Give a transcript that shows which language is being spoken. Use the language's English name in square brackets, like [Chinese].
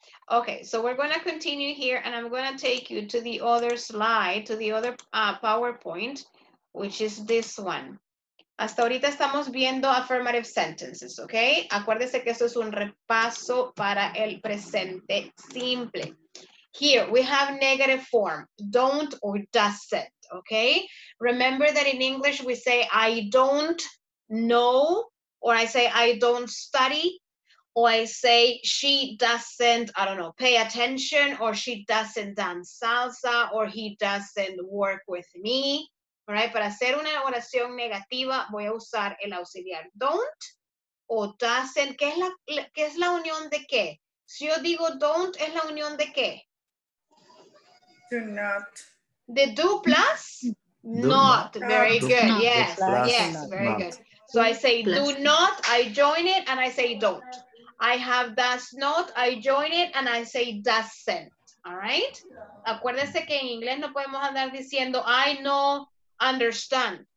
[English] Okay, so we're going to continue here and I'm going to take you to the other slide, to the other PowerPoint, which is this one. [Spanish] Hasta ahorita estamos viendo affirmative sentences, okay? Acuérdese que esto es un repaso para el presente simple. [English] Here, we have negative form, don't or doesn't, okay? Remember that in English we say, I don't know. Or I say, I don't study, or I say, she doesn't, I don't know, pay attention, or she doesn't dance salsa, or he doesn't work with me, all right? [Spanish] Para hacer una oración negativa, voy a usar el auxiliar don't o doesn't. ¿Qué es la unión de qué? Si yo digo don't, ¿es la unión de qué? [English] Do not. ¿De do plus? Not. Very good. Yes, yes, very good. So I say do not, I join it, and I say don't. I have does not, I join it, and I say doesn't. All right? [Spanish] Acuérdense que en inglés no podemos andar diciendo [English] I no understand.